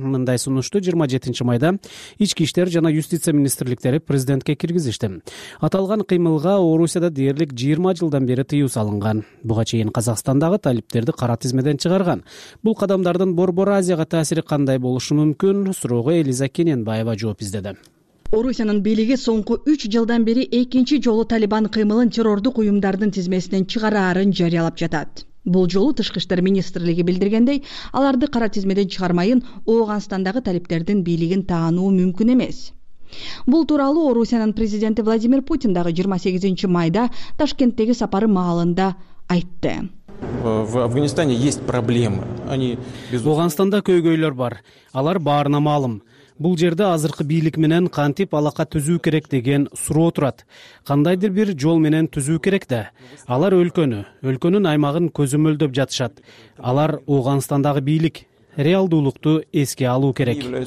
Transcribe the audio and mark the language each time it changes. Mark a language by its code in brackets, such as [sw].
[ky] Мындай сунушту 27 майда ички иштер жана юстиция министрликтери президентке киргизишти. Аталган кыймылга Орусияда дээрлик 20 жылдан бери тыюу салынган. Буга чейин Казакстандагы талиптерди кара тизмеден чыгарган. Бул кадамдардын Борбор Азияга таасири кандай болушу мүмкүн? Суроого Элиза Кененбаева жооп издеди. Орусиянын бийлиги соңку 3 жылдан бери экинчи жолу Талибан кыймылын террордук уюмдардын тизмесинен чыгарарын жарыялап жатат. Бул жолу тышкы иштер министрлиги билдиргендей, аларды кара тизмеден чыгармайын Ооганстандагы талиптердин бийлигин таануу мүмкүн эмес. Бул тууралуу Орусиянын президенти Владимир Путин дагы 28 майда Ташкенттеги сапары маалында айтты. [ru] В Афганистане есть проблемы. Они [ky] Афганистанда көйгөйлөр бар. Алар баарына маалым. Бул жерде азыркы бийлик менен кантип алака түзүү керек деген суроо турат. Кандайдыр бир жол менен түзүү керек да. Алар өлкөнү, өлкөнүн аймагын көзөмөлдөп жатышат. Алар Афганистандагы бийлик реалдуулукту эске алуу керек.